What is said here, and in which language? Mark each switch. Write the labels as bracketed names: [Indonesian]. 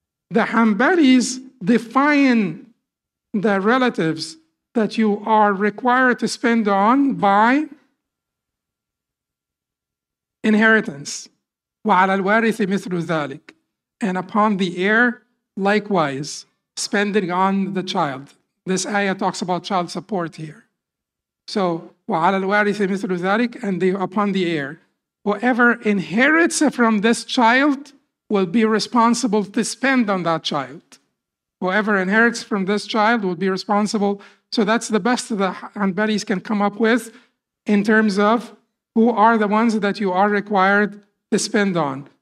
[English] The Hanbalis define the relatives that you are required to spend on by inheritance. [Arabic] وَعَلَى الْوَارِثِ مِثْلُ ذَلِكَ. [English] And upon the heir, likewise, spending on the child. This ayah talks about child support here. So, [Arabic] وَعَلَى الْوَارِثِ مِثْلُ ذَلِكَ. [English] And upon the heir. Whoever inherits from this child will be responsible to spend on that child. Whoever inherits from this child will be responsible. So that's the best the Hanbalis can come up with in terms of who are the ones that you are required to spend on.